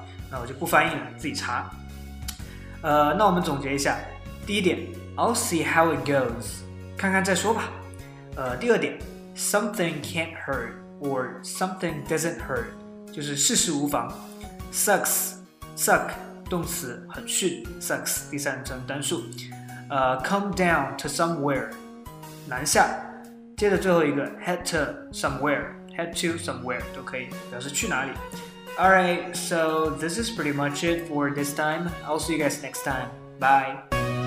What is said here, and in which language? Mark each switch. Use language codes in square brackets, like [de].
[zh] 那我就不翻译了，自己查。那我们总结一下，第一点 [en] I'll see how it goes, [zh] 看看再说吧。 [en] 第二点 Something can't hurtOr something doesn't hurt, [zh] 就是事事无妨。 Sucks, suck, 动词很逊 ,sucks, 第三人称单数。 [en] Come down to somewhere, [zh] 南下。接着最后一个 [en] head to somewhere, [zh] 都可以表示去哪里。 [en] Alright, so this is pretty much it for this time. I'll see you guys next time. Bye!